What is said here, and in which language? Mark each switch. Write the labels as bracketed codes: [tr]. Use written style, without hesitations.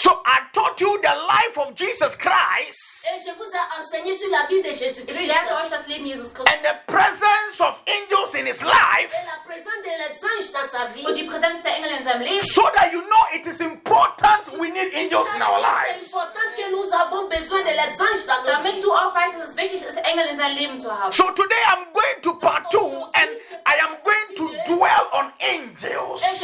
[en] So I taught you the life of Jesus Christ. [fr] Et je vous ai enseigné sur la vie de Jésus-Christ. [de] Ich lehrte euch das Leben Jesus Christus. [en] And the presence of angels in his life. [fr] Et la présence de les anges dans sa vie. [de] Und die Präsenz der Engel in seinem Leben. [en] So that you know it is important we need angels in our lives. [fr] C'est important que nous avons besoin de les anges dans notre vie. [de] Damit du auch weißt, dass es wichtig ist, Engel in seinem Leben zu haben. [en] So today I'm going to part two and I am going to dwell on angels.